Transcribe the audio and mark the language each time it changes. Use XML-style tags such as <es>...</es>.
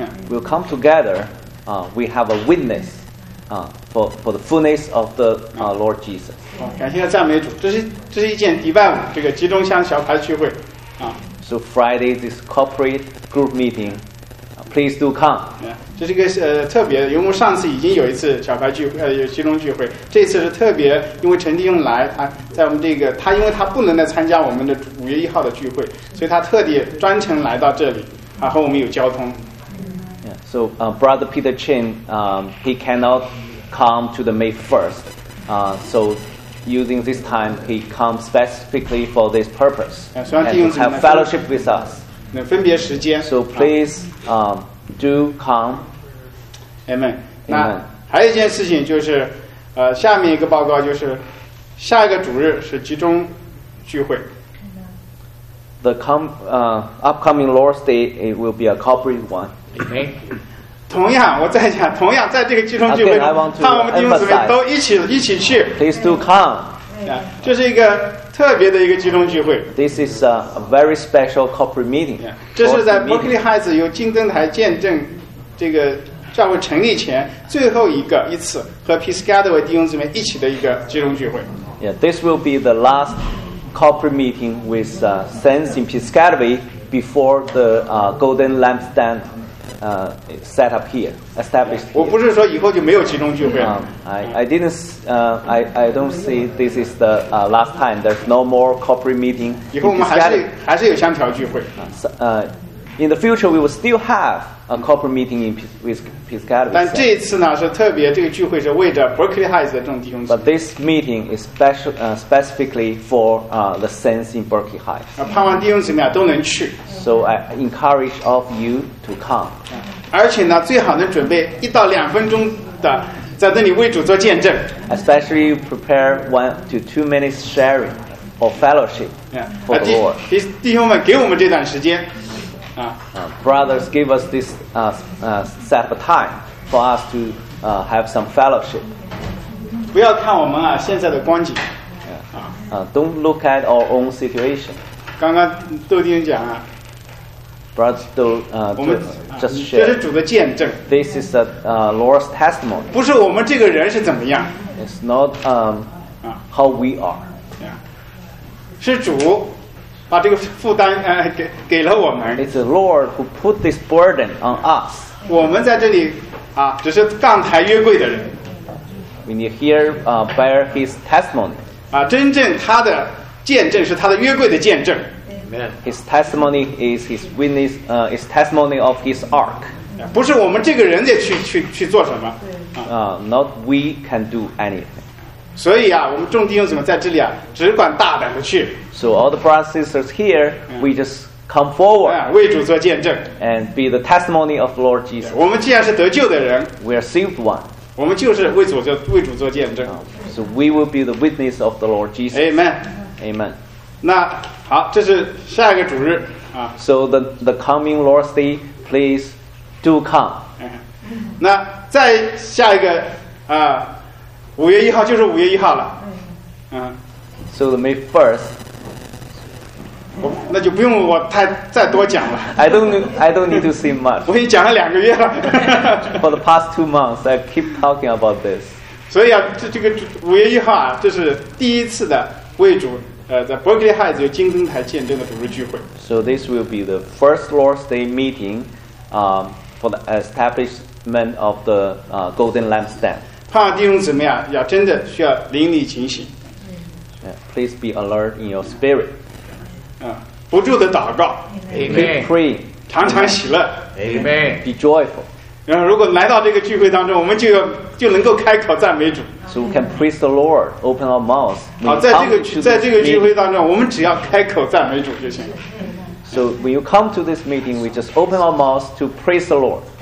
<en>We'll come together, we have a witness, for the fullness of the Lord Jesus.</en> <zh>感谢赞美主，这是一件礼拜五这个集中箱小牌聚会啊。</zh> <en>So Friday this corporate group meeting, please do come.</en> <zh>这是一个特别，因为上次已经有一次小牌聚会有集中聚会，这次是特别，因为陈弟兄来，他在我们这个，他因为他不能来参加我们的五月一号的聚会，所以他特地专程来到这里，和我们有交通。</zh> <en>Yeah, so Brother Peter Chen, he cannot come to the May 1st, so using this time he comes specifically for this purpose and to have fellowship with us.</en> <zh>能分别时间。</zh> <en>So please, do come. Amen.</en> <zh>那还有一件事情就是，下面一个报告就是，下一个主日是集中聚会。</zh> <en>The upcoming Lord's Day it will be a corporate one. Amen.</en> <zh>同样，我再讲，同样在这个集中聚会，盼我们弟兄姊妹都一起去。</zh> <en>Please do come.</en> <zh>这是一个特别的一个集中聚会。</zh> <en>This is a very special corporate meeting.</en> <zh>这是在 Berkeley Heights 由金灯台见证这个教会成立前最后一次和 Peace Gathering 弟兄姊妹一起的一个集中聚会。</zh> <en>Yeah, this will be the last corporate meeting with Saints in Peace Gathering before the Golden Lampstand set up here, established here.</en> <zh>我不是说以后就没有集中聚会了。</zh> <en>I don't see this is the last time. There's no more corporate meeting.</en> <zh>以后我们还是有香条聚会。</zh> <en>In the future, we will still have a corporate meeting in Piscataway.</en> <zh>但这一次呢是特别，这个聚会是为着 Berkeley Heights 的这种弟兄。</zh> <en>But this meeting is specifically for the saints in Berkeley Heights.</en> <zh>盼望弟兄姊妹都能去。</zh> <en>So I encourage all of you to come.</en> <zh>而且呢，最好能准备一到两分钟的，在那里为主做见证。</zh> <en>Especially prepare 1 to 2 minutes sharing or fellowship for the Lord.</en> <zh>弟兄们，给我们这段时间。</zh> <en>Brothers, give us this set of time for us to have some fellowship.</en> <zh>不要看我们啊现在的光景。</zh> <en>Don't look at our own situation.</en> <zh>刚刚窦丁讲啊。</zh> <en>Brothers, just share.</en> <zh>这是主的见证。</zh> <en>This is the Lord's testimony.</en> <zh>不是我们这个人是怎么样。</zh> <en>It's not how we are.</en> <zh>是主。把这个负担给了我们。</zh> <en>It's the Lord who put this burden on us.</en> <zh>我们在这里啊，只是杠台约柜的人。</zh> <en>We need here bear His testimony.</en> <zh>啊，真正他的见证是他的约柜的见证。</zh> <en>Amen. His testimony is His witness. His testimony of His ark.</en> <zh>不是我们这个人得去做什么。</zh> <en>Not we can do anything.</en> <zh>所以啊，我们众弟兄姊妹在这里啊，只管大胆的去。</zh> <en>So all the brothers and sisters here, we just come forward.</en> <zh>为主做见证。</zh> <en>And be the testimony of Lord Jesus.</en> <zh>我们既然是得救的人</zh> <en>，we are saved one.</en> <zh>我们就是为主做见证。</zh> <en>So we will be the witness of the Lord Jesus. Amen. Amen.</en> <zh>那好，这是下一个主日啊。</zh> <en>So the coming Lord's Day, please do come.</en> <zh>那再下一个啊。五月一号就是五月一号了。</zh> <en>So the May 1st.</en> <zh>那就不用我再多讲了。</zh> <en>I don't need to say much.</en> <zh>我已经讲了两个月了。</zh> <en>For the past 2 months, I keep talking about this.</en> <zh>所以啊，这个五月一号啊，这是第一次的为主在 Berkeley Heights 有金灯台见证的主日聚会。</zh> <en>So this will be the first Lord's Day meeting, for the establishment of the Golden Lampstand.</en> <zh>盼望弟兄姊妹啊，要真的需要灵力警醒。</zh> <en>Please be alert in your spirit.</en> <zh>不住的祷告。</zh> <en>Amen. Keep praying.</en> <zh>常常喜乐。</zh> <en>Amen. Be joyful.</en> <zh>然后，如果来到这个聚会当中，我们就能够开口赞美主。</zh> <en>So we can praise the Lord, open our mouths.</en> <zh>好，在这个聚会当中，我们只要开口赞美主就行了。</zh> <en>So when you come to this meeting, we just open our mouths to praise the Lord.</en>